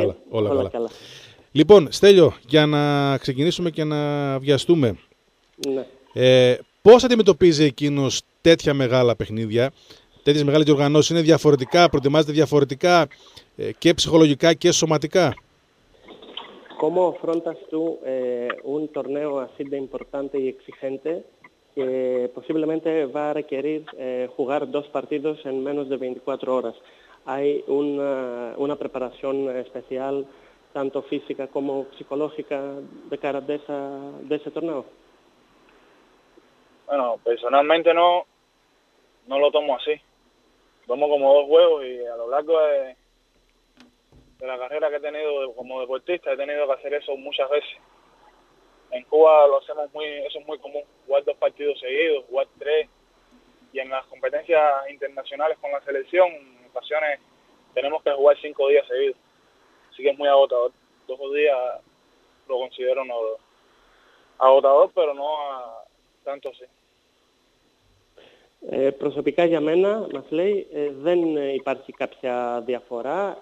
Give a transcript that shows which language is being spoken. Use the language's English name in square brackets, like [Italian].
[Greek] Όλα καλά. Λοιπόν, Στέλιο, για να ξεκινήσουμε και να βιαστούμε. Ναι. Πώς αντιμετωπίζει εκείνος τέτοια μεγάλα παιχνίδια, τέτοιες μεγάλες διοργανώσεις, είναι διαφορετικά, προετοιμάζεται διαφορετικά και ψυχολογικά και σωματικά? [Spanish] Como afrontas tú un torneo así de importante y exigente que posiblemente va a requerir jugar dos partidos en menos de 24 horas? ¿Hay una preparación especial, tanto física como psicológica, de cara de ese torneo? Bueno, personalmente no lo tomo así. Tomo como dos juegos y a lo largo de la carrera que he tenido como deportista he tenido que hacer eso muchas veces. En Cuba lo hacemos muy, eso es muy común, jugar dos partidos seguidos, jugar tres. Y en las competencias internacionales con la selección, en ocasiones tenemos que jugar cinco días seguidos. Así que es muy agotador. Dos días lo considero agotador, pero no a tanto así. [Greek] Προσωπικά για μένα, μας λέει, δεν υπάρχει κάποια διαφορά.